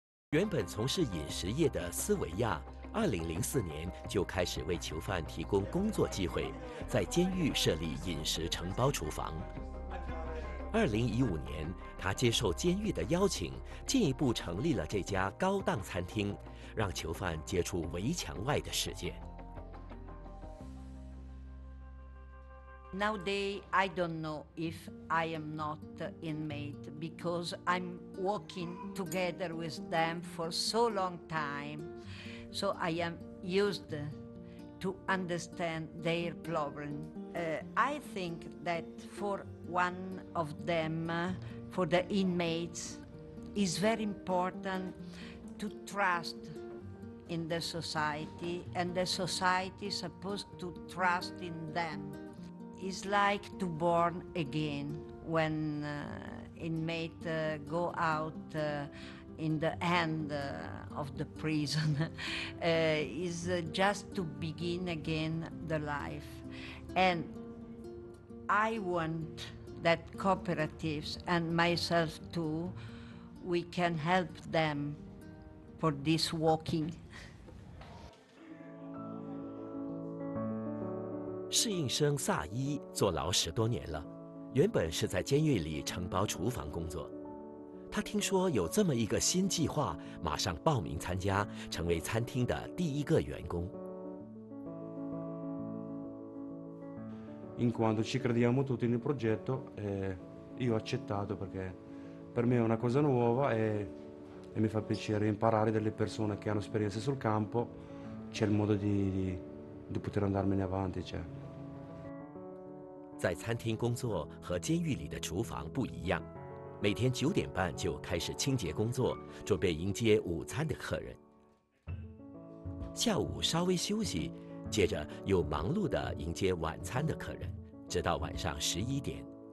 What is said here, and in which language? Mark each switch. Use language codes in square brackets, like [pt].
[zh] 原本从事饮食业的斯维亚，2004年就开始为囚犯提供工作机会，在监狱设立饮食承包厨房。 2015年，他接受监狱的邀请，进一步成立了这家高档餐厅，让囚犯接触围墙外的世界。 [en] Nowadays, I don't know if I am not inmate because I'm working together with them for so long time. So I am used to understand their problem. I think that for one of them, for the inmates, it's very important to trust in the society, and the society is supposed to trust in them. It's like to born again when inmate go out in the end of the prison. It's just to begin again the life. And I want that cooperatives and myself too, we can help them for this walking. [zh] 适应生萨伊坐牢十多年了，原本是在监狱里承包厨房工作。他听说有这么一个新计划，马上报名参加，成为餐厅的第一个员工。 [it] In quanto ci crediamo tutti nel progetto, io ho accettato perché per me è una cosa nuova e mi fa piacere imparare dalle persone che hanno esperienza sul campo. C'è il modo di poter andarmene avanti, cioè. [zh] 在餐厅工作和监狱里的厨房不一样，每天9点半就开始清洁工作，准备迎接午餐的客人。下午稍微休息，接着又忙碌地迎接晚餐的客人，直到晚上11点。